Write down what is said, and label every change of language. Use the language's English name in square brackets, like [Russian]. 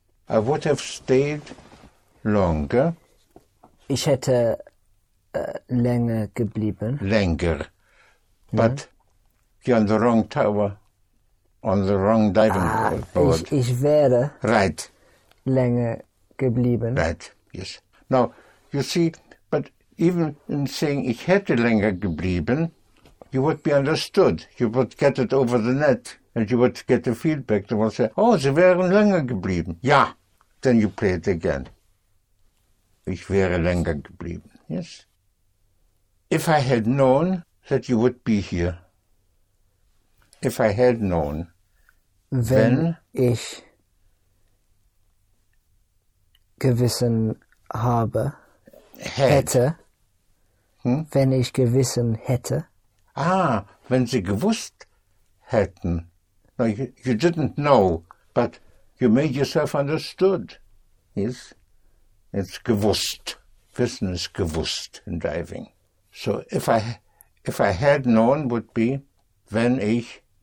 [English] I would have stayed longer. [German] Ich hätte länger geblieben. Länger. [English] But you're on the wrong tower, on the wrong diving board. [German] Ich wäre [English] right. [German] Länger geblieben. [English] Right, yes. Now, you see, but even in saying [German] ich hätte länger geblieben, [English] you would be understood. You would get it over the net and you would get the feedback. They would say, oh, [German] sie wären länger geblieben. [English] Ja, then you play it again. [German] Ich wäre länger geblieben, yes. [English] If I had known that you would be here. If I had known. [German] Wenn ich gewissen habe, hätte. Wenn ich gewissen hätte. Ah, wenn Sie gewusst hätten. [English] No, you didn't know, but you made yourself understood. Yes. It's gewusst. [German] Wissen ist gewusst [English] in diving. So if I had known would be [German] wenn ich